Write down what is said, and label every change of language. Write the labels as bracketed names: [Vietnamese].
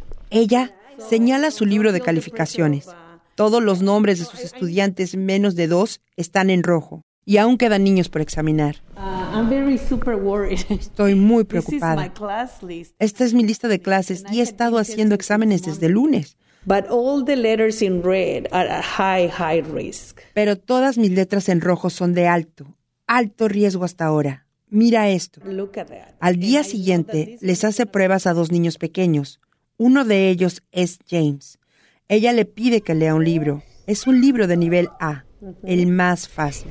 [Spanish] Ella señala su libro de calificaciones. Todos los nombres de sus estudiantes menos de 2 están en rojo y aún quedan niños por examinar. [English] I'm very super worried. [Spanish] Estoy muy preocupada. [English] This is my class list. [Spanish] Esta es mi lista de clases y he estado haciendo exámenes desde lunes. [English] But all the letters in red are at high, high risk. [Spanish] Pero todas mis letras en rojo son de alto, alto riesgo hasta ahora. Mira esto. [English] Look at that. [Spanish] Al día siguiente, les hace pruebas a 2 niños pequeños. Uno de ellos es James. Ella le pide que lea un libro. Es un libro de nivel A, el más fácil.